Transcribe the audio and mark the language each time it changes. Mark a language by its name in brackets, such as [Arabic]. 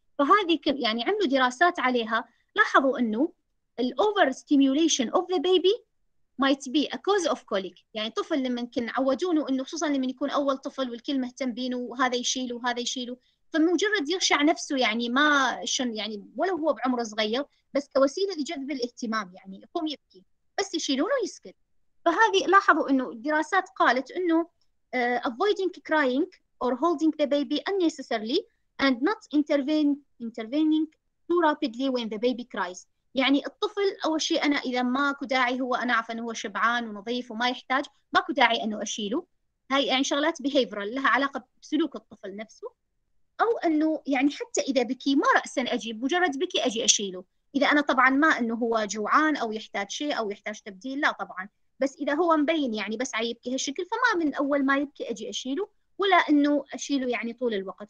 [Arabic] فهذه يعني عملوا دراسات عليها لاحظوا انه [English] الاوفر stimulation of the baby might be a cause of colic. [Arabic] يعني طفل لما كن عودونه انه خصوصا لما يكون اول طفل والكل مهتم بينه وهذا يشيله وهذا يشيله، فمجرد يغشع نفسه يعني ما شن يعني ولو هو بعمر صغير بس كوسيله لجذب الاهتمام، يعني يقوم يبكي بس يشيلونه ويسكت. فهذه لاحظوا انه الدراسات قالت انه [English] avoiding crying or holding the baby unnecessarily and not intervening too rapidly when the baby cries. [Arabic] يعني الطفل اول شيء انا اذا ماكو داعي، هو انا اعرف انه هو شبعان ونظيف وما يحتاج، ماكو داعي انه اشيله. هاي يعني شغلات behavioral لها علاقه بسلوك الطفل نفسه، او انه يعني حتى اذا بكي ما راسا اجيب، مجرد بكي اجي اشيله، اذا انا طبعا ما انه هو جوعان او يحتاج شيء او يحتاج تبديل لا طبعا، بس اذا هو مبين يعني بس عيبكي هالشكل فما من اول ما يبكي اجي اشيله ولا انه اشيله يعني طول الوقت.